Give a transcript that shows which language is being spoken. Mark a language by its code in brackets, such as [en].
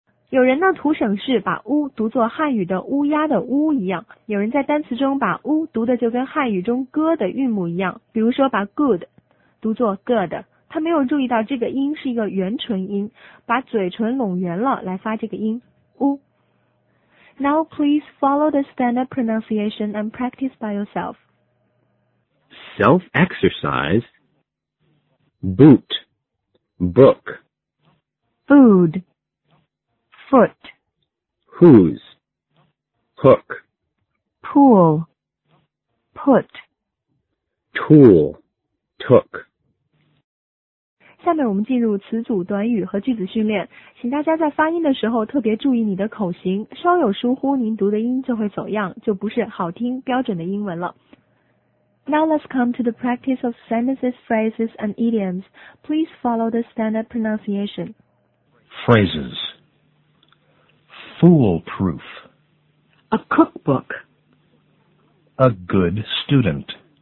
[zh] 有人呢图省事，把呜读作汉语的乌鸦的乌一样，有人在单词中把呜读的就跟汉语中歌的韵母一样，比如说把 good 读作 good， 他没有注意到这个音是一个圆唇音，把嘴唇拢圆了来发这个音呜。 [en] Now please follow the standard pronunciation and practice by yourself. Self exerciseBoot, book. Food, foot. Whose, hook. Pool, put. Tool, took. [zh] 下面我们进入词组短语和句子训练，请大家在发音的时候特别注意你的口型，稍有疏忽您读的音就会走样，就不是好听标准的英文了。 [en] Now let's come to the practice of sentences, phrases, and idioms. Please follow the standard pronunciation. Phrases. Foolproof. A cookbook. A good student.